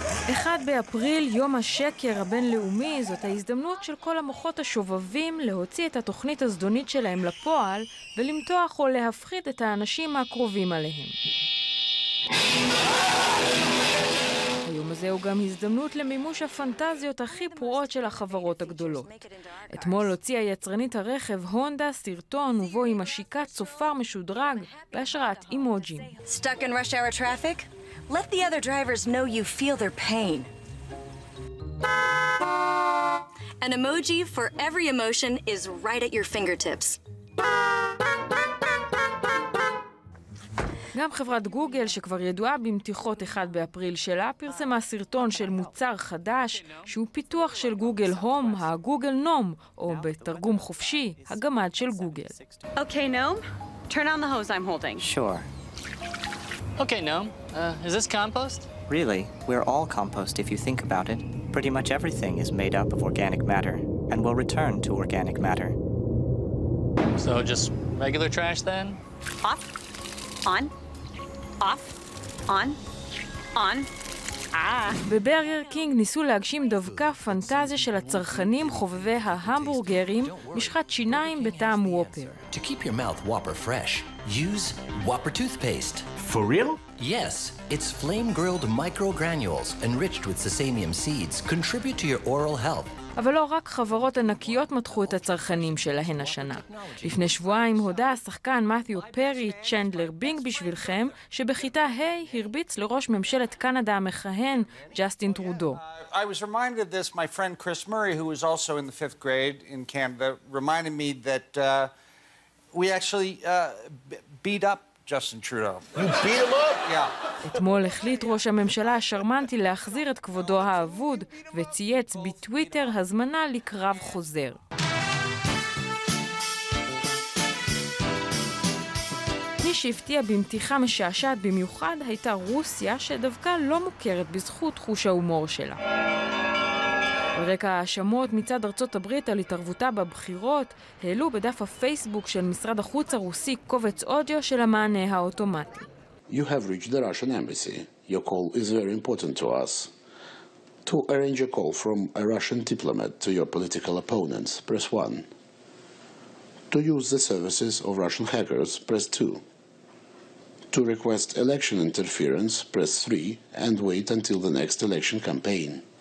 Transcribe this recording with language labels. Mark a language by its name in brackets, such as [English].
[Hebrew] אחד באפריל, יום השקר הבינלאומי, זאת ההזדמנות של כל המוחות השובבים להוציא את התוכנית הזדונית שלהם לפועל ולמתוח או להפחיד את האנשים הקרובים עליהם. היום הזה הוא גם הזדמנות למימוש הפנטזיות הכי פרועות של החברות הגדולות. אתמול הוציאה יצרנית הרכב הונדה סרטון ובו היא משיקה צופר משודרג בהשראת אימוג'ים. [English] Stuck in rush hour traffic? Let the other drivers know you feel their pain. An emoji for every emotion is right at your fingertips. [Hebrew] גם חברת גוגל, שכבר ידועה במתיחות 1 באפריל שלה, פרסמה סרטון של מוצר חדש שהוא פיתוח של גוגל הום, הגוגל נום, או בתרגום חופשי, הגמד של גוגל. [English] Okay, נום, turn on the hose I'm holding. Sure. Okay, נום, is this compost? Really, we're all compost if you think about it. Pretty much everything is made up of organic matter and will return to organic matter. So just regular trash then? Off. On, off, on, on. [Hebrew] בברגר קינג ניסו להגשים דווקא פנטזיה של הצרכנים חובבי ההמבורגרים, משחת שיניים בטעם וופר. [English] To keep your mouth whopper fresh, use whopper toothpaste. For real? Yes, it's flame-grilled microgranules enriched with sesamium seeds contribute to your oral health. [Hebrew] אבל לא רק חברות ענקיות מתחו את הצרכנים שלהן השנה. לפני שבועיים הודה השחקן מתיו פרי צ'נדלר בינג בשבילכם, שבכיתה ה' הרביץ לראש ממשלת קנדה המכהן, ג'סטין טרודו. [English] I was reminded of this, my friend Chris Murray, who was also in the fifth grade in Canada, reminded me that we actually beat up Justin Trudeau. You beat him up? Yeah. [Hebrew] אתמול החליט ראש הממשלה השרמנטי להחזיר את כבודו האבוד וצייץ בטוויטר הזמנה לקרב חוזר. מי שהפתיע במתיחה משעשעת במיוחד הייתה רוסיה, שדווקא לא מוכרת בזכות חוש ההומור שלה. ברקע האשמות מצד ארצות הברית על התערבותה בבחירות, העלו בדף הפייסבוק של משרד החוץ הרוסי קובץ אודיו של המענה האוטומטי. [English] You have reached the Russian embassy. Your call is very important to us. To arrange a call from a Russian diplomat to your political opponents, press 1. To use the services of Russian hackers, press 2. To request election interference, press 3 and wait until the next election campaign.